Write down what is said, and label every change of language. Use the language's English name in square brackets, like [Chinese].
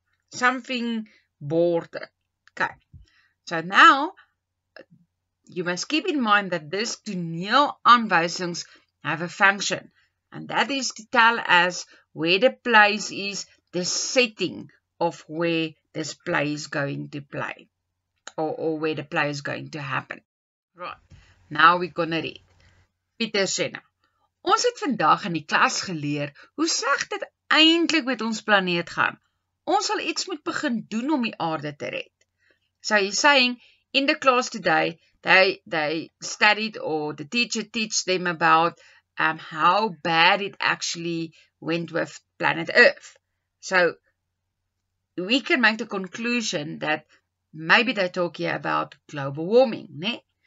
[English] Something bored. Okay. So now, you must keep in mind that this [Afrikaans] toneel aanwijsings [English] have a function. And that is to tell us where the place is, the setting of where this play is going to play. Or where the play is going to happen. Right, now we're gonna read. Peter Senna. [Afrikaans] Ons het vandag in die klas geleer hoe sag dit eindelijk met ons planeet gaan. Ons sal iets moet begin doen om die aarde te red. [English] So he's saying, in the class today, they studied or the teacher teach them about how bad it actually went with planet Earth. So we can make the conclusion that maybe they talk here about global warming, ne?